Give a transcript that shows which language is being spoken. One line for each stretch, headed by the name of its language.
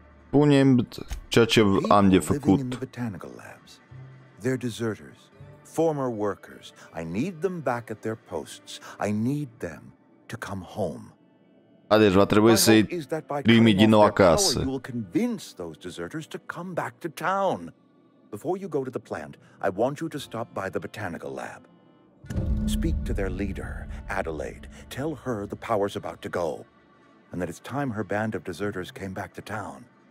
Romanian: Punem ceea ce am de făcut.
English: People living in the botanical labs. They're deserters, former workers. I need them back at their posts. I need them to come home.
Romanian: A, deci va trebui să-i primi din nou acasă.
English: You will convince those deserters to come back to town. Before you go to the plant, I want you to stop by the botanical lab. Speak to their leader, Adelaide. Tell her the power's about to go. And that it's time her band of deserters came back to town.